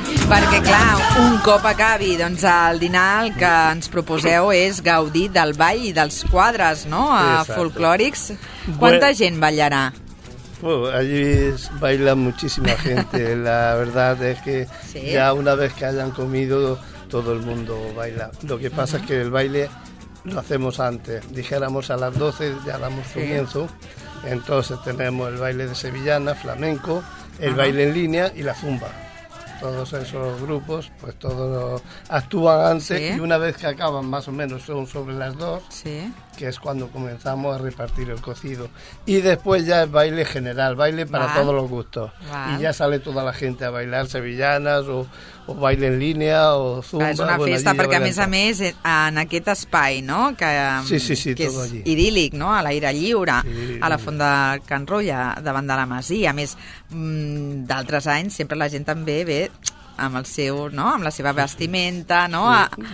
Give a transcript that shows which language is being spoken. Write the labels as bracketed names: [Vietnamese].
[Catalan] Perquè, clar, un cop acabi, doncs, el dinar el que ens proposeu és gaudir del ball i dels quadres, no?, a folclòrics. Quanta gent ballarà? [Spanish] Pues, allí baila muchísima gente. La verdad es que sí. ya una vez que hayan comido, todo el mundo baila. Lo que pasa uh-huh. es que el baile lo hacemos antes. Dijéramos a las 12 ya damos sí. comienzo. Entonces tenemos el baile de sevillana, flamenco, el uh-huh. baile en línea y la zumba. Todos esos grupos, pues todos actúan antes sí. y una vez que acaban, más o menos son sobre las dos, sí. que es cuando comenzamos a repartir el cocido. Y después ya es baile general, baile para vale. todos los gustos. Vale. Y ya sale toda la gente a bailar sevillanas o baile en línea o zumba. [Catalan] És una bueno, festa, perquè a més en aquest espai, no?, que, sí, sí, sí, que és [Spanish] allí. [Catalan] Idíl·lic, no?, a l'aire lliure, sí, a la Font de Can Rull, davant de la Masia. A més, d'altres anys, sempre la gent també ve amb el seu, no?, amb la seva vestimenta, no?, sí.